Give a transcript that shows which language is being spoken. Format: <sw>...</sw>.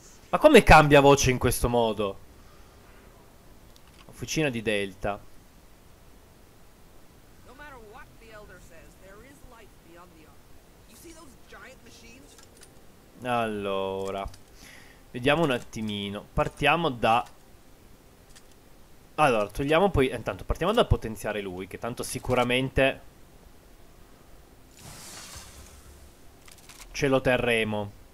<it>Ma come cambia voce in questo modo? Officina di Delta.</it> <en>No matter what the Elder says, there is life beyond the Ark. You see those giant machines?</en> <it>Allora, vediamo un attimino. Partiamo da... Allora, togliamo poi... intanto, partiamo dal potenziare lui, che tanto sicuramente... ce lo terremo.</it>